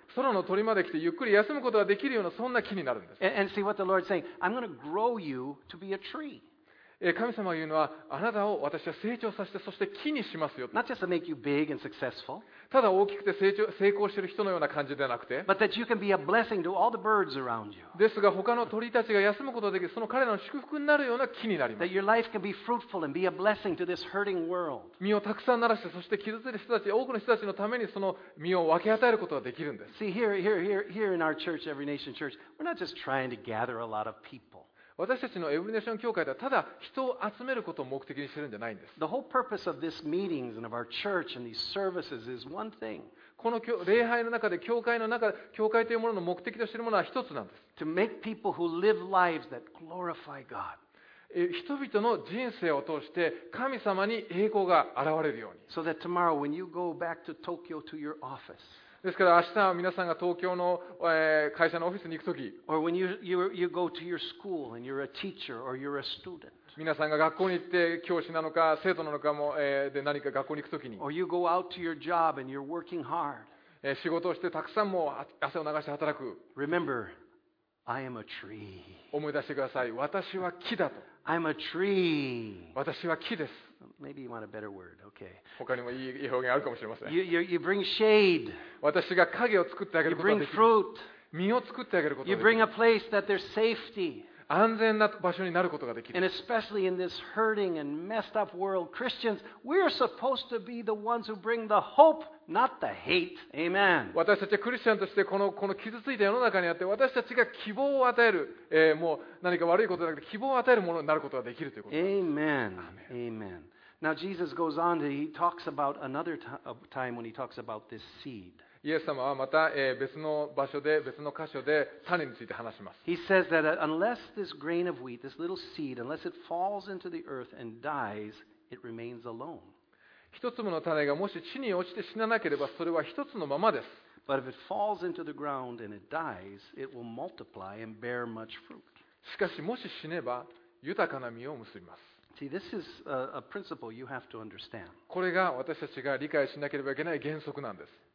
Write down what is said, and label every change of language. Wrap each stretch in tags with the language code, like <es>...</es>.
<ja>空の鳥まで来てゆっくり休むことができるようなそんな木になるんです。</ja> <en>And see what the Lord's saying. I'm going to grow you to be a tree.</en> <ja>神様が言うのはあなたを私は成長させてそして木にしますよ。</ja> <en>Not just to make you big and successful.</en> <ja>ただ大きくて成功している人のような感じではなくて。</ja> <en>But that you can be a blessing to all the birds around you.</en> <ja>ですが他の鳥たちが休むことができるその彼らの祝福になるような木になります。</ja> <en>That your life can be fruitful and be a blessing to this hurting world.</en> <ja>実をたくさんならして、そして傷ついた人たち、多くの人たちのためにその実を分け与えることができるんです。</ja> <en>See, here in our church, Every Nation Church, we're not just trying to gather a lot of people.</en> <ja>私たちのEvery Nation教会ではただ人を集めることを目的にしてるんじゃないんです。</ja> <en>The whole purpose of this meetings and of our church and these services is one thing.</en> <ja>この礼拝の中で教会の中で教会というものの目的としているものは一つなんです。</ja> <en>To make people who live lives that glorify God.</en> <ja>人々の人生を通して神様に栄光が現れるように。</ja> <en>So that tomorrow when you go back to Tokyo to your office.</en> <ja>ですから明日は皆さんが東京の会社のオフィスに行くとき。</ja> <en>Or when you go to your school and you're a teacher or you're a student.</en> <ja>皆さんが学校に行って教師なのか生徒なのかもで何か学校に行くときに。</ja> <en>Or you go out to your job and you're working hard.</en> <ja>仕事をしてたくさんも汗を流して働く。</ja> <en>Remember, I am a tree.</en> <ja>思い出してください。私は木だと。</ja> <en>I'm a tree.</en> <ja>私は木です。</ja> <en>Maybe you want a better word. Okay.</en> <ja>他にもいい表現あるかもしれません。</ja> <en>You bring shade.</en> <ja>私が影を作ってあげることができる。</ja> <en>You bring fruit.</en> <ja>実を作ってあげることができる。</ja> <en>You bring a place that there's safety.</en> <ja>安全な場所になることができる。</ja> <en>And especially in this hurting and messed up world, Christians, we are supposed to be the ones who bring the hope. Not the hate. Amen.</en> <ja>私たちはクリスチャンとしてこの傷ついた世の中にあって私たちが希望を与える、もう何か悪いことではなくて希望を与えるものになることができるということです。</ja> <en>Amen. Amen. Now Jesus goes on to he talks about another time when he talks about this seed.</en> <ja>イエス様はまた、別の場所で別の箇所で種について話します。</ja> <en>He says that unless this grain of wheat, this little seed, unless it falls into the earth and dies, it remains alone.</en> <ja>一粒の種がもし地に落ちて死ななければそれは一つのままです。</ja> <en>But if it falls into the ground and it dies, it will multiply and bear much fruit.</en> <ja>しかしもし死ねば豊かな実を結びます。</ja> <en>See, this is a principle you have to understand.</en> <ja>これが私たちが理解しなければいけない原則なんです。</ja>